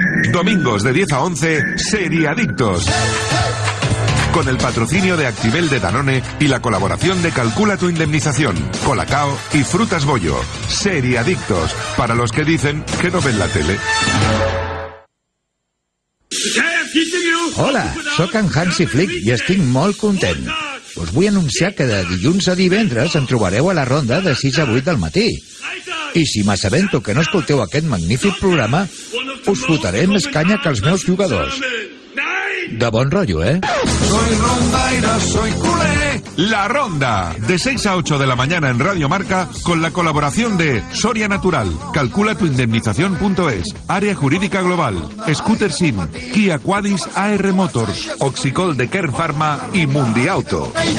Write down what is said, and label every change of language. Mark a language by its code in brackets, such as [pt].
[es] Domingos de 10 a 11, Seriadictos. Con el patrocinio de Actibel de Danone y la colaboración de Calcula tu Indemnización, Colacao y Frutas Bollo. Seriadictos, para los que dicen que no ven la tele. [ca] Hola, sóc en Hansi Flick i estic molt content. Us vull anunciar que de dilluns a divendres em trobareu a la ronda de 6 a 8 del matí. I si m'assabento que no escolteu aquest magnífic programa, us fotaré més canya que els meus jugadors. De bon rotllo, eh? [es] Soy rondaira, soy culé. La Ronda, de 6 a 8 de la mañana en Radio Marca, con la colaboración de Soria Natural, calculatuindemnización.es, Área Jurídica Global, Scooter Sim, Kia Quadis AR Motors, Oxicol de Kern Pharma y Mundi Auto.